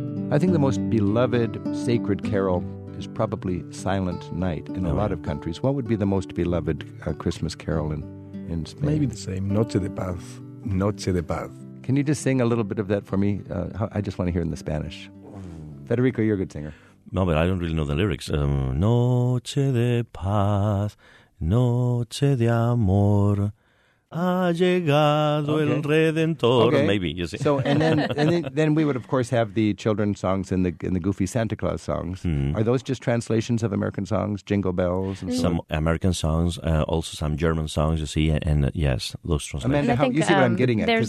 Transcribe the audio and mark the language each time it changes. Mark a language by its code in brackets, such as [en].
[en] I think the most beloved sacred carol is probably Silent Night in a lot of countries. What would be the most beloved Christmas carol in Spain? Maybe the same, Noche de Paz. Noche de Paz. Can you just sing a little bit of that for me? I just want to hear in the Spanish. Federico, you're a good singer. No, but I don't really know the lyrics. [es] Noche de Paz, Noche de Amor, ha llegado el Redentor. [en] Okay. Maybe, you see. So, and then we would, of course, have the children's songs and the goofy Santa Claus songs. Mm-hmm. Are those just translations of American songs, Jingle Bells? And some American songs, also some German songs, you see, and those translations. Amanda, you see what I'm getting at?